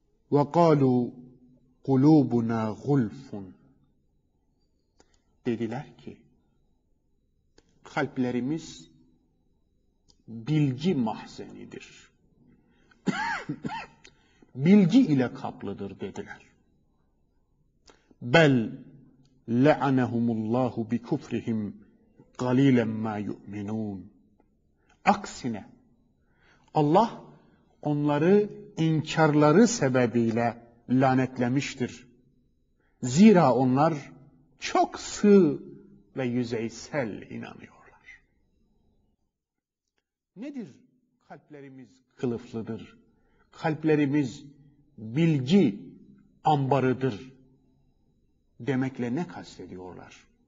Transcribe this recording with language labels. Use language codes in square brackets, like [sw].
[ar] وَقَالُوا قُلُوبُنَا غُلْفٌ [tr] dediler ki, kalplerimiz bilgi mahzenidir. Bilgi ile kaplıdır dediler. [ar] بَلْ لَعَنَهُمُ اللّٰهُ بِكُفْرِهِمْ قَلِيلًا مَا يُؤْمِنُونَ [tr] Aksine, Allah onları inkarları sebebiyle lanetlemiştir. Zira onlar çok sığ ve yüzeysel inanıyorlar. Nedir kalplerimiz kılıflıdır? Kalplerimiz bilgi ambarıdır demekle ne kastediyorlar?